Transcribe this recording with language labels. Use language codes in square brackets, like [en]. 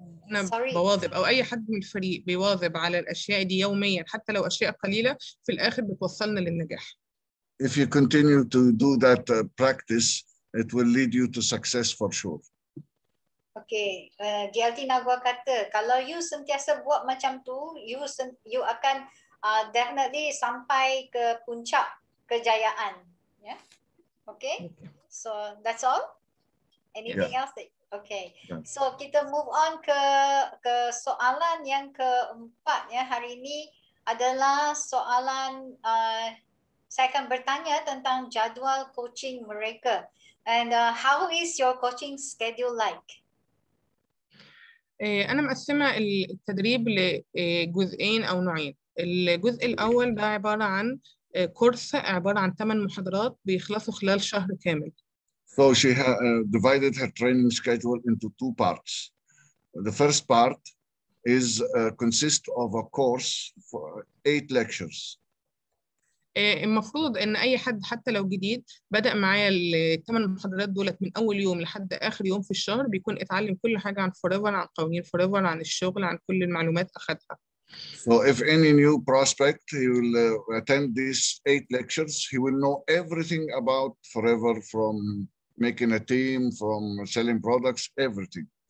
[ar] أنا بواظب أو أي حد من الفريق بيواظب على الأشياء دي يوميا حتى لو أشياء قليلة في الآخر بتوصلنا للنجاح. [en] If you continue to do that practice, it will lead you to success for sure. [ms] Okay, GLT Nagwa kata kalau you sentiasa buat macam tu, you akan definitely sampai ke puncak kejayaan. Yeah. Okay. [en] So that's all. Anything else? [ms] Okay, so kita move on ke soalan yang keempat ya hari ini adalah soalan saya akan bertanya tentang jadual coaching mereka. [en] And how is your coaching schedule like? [ar] أنا مقسمة التدريب لجزئين أو نوعين. الجزء الأول ده عبارة عن كورس عبارة عن 8 محاضرات بيخلصوا خلال شهر كامل. [en] So she divided her training schedule into two parts. The first part is consists of a course for 8 lectures. [ar] المفروض ان اي حد حتى لو جديد بدا معايا الثمان محاضرات دولت من اول يوم لحد اخر يوم في الشهر بيكون اتعلم كل حاجه عن فوريفر عن قوانين فوريفر عن الشغل عن كل المعلومات اخذها. [en] So if any new prospect, he will attend these 8 lectures, he will know everything about forever from making a team, from selling products, everything.